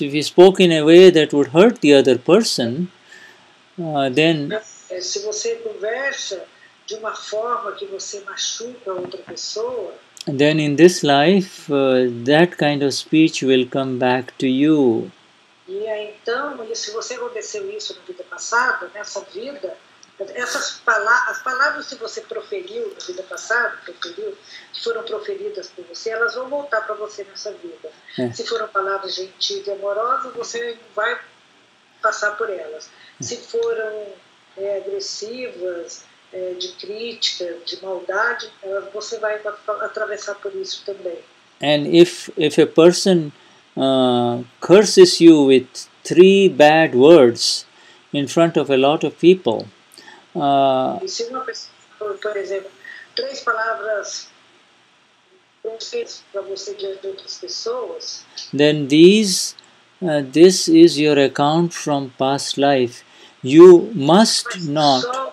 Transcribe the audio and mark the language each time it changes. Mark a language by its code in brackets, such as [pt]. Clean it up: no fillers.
[en] you spoke in a way that would hurt the other person, then... [pt] Se você conversa de uma forma que você machuca outra pessoa, [en] then in this life, that kind of speech will come back to you. [pt] E se você aconteceu isso na vida passada, nessa vida, essas palavras, as palavras que você proferiu na vida passada, que foram proferidas por você, elas vão voltar para você nessa vida. Se foram palavras gentis e amorosas, você vai passar por elas. Se foram agressivas, de crítica, de maldade, você vai atravessar por isso também. [en] And if a person curses you with three bad words in front of a lot of people, [pt] e se uma pessoa, por exemplo, três palavras para você diante de outras pessoas, [en] then this is your account from past life. You must not.